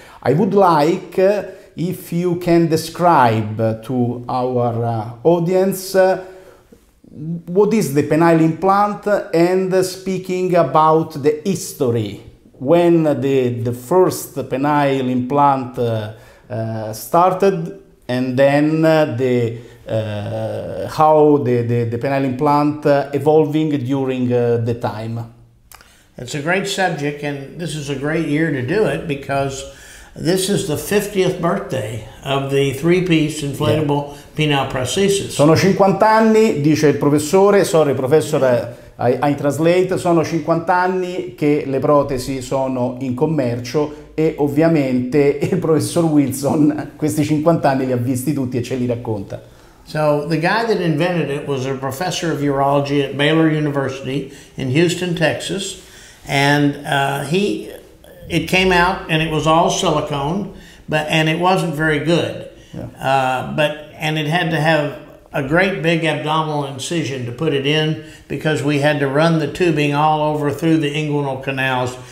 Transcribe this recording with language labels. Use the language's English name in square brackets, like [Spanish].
[English] I would like if you can describe to our audience what is the penile implant, and speaking about the history, when the first penile implant started, and then how the penile implant evolving during the time. It's a great subject, and this is a great year to do it because this is the 50th birthday of the three-piece inflatable penile prosthesis. [Italian] Sono 50 anni, dice il professore. [English] Sorry, professor, I translate. [Italian] Sono 50 anni che le protesi sono in commercio e ovviamente il professor Wilson questi 50 anni li ha visti tutti e ce li racconta. [English] So the guy that invented it was a professor of urology at Baylor University in Houston, Texas, and it came out and it was all silicone, and it wasn't very good. Yeah. And it had to have a great big abdominal incision to put it in because we had to run the tubing all over through the inguinal canals.